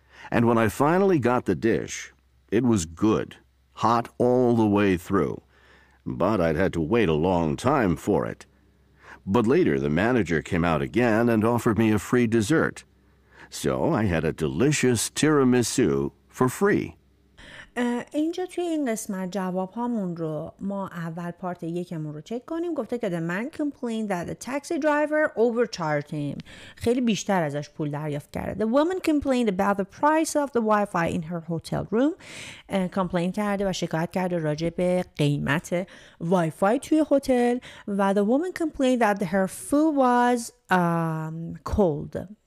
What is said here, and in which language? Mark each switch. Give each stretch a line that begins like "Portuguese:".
English: And when I finally got the dish, it was good, hot all the way through. But I'd had to wait a long time for it. But later, the manager came out again and offered me a free dessert. So I had a delicious tiramisu for free.
Persian: اینجا توی این قسمت جواب هامون رو ما اول پارت یکمون رو چک کنیم. گفته که
English: the man complained that the taxi driver overcharged him.
Persian: خیلی بیشتر ازش پول دریافت کرده.
English: The woman complained about the price of the Wi-Fi in her hotel room.
Persian: Complained کرده و شکایت کرده راجع به قیمت Wi-Fi توی هتل.
English: و the woman complained that her food was cold.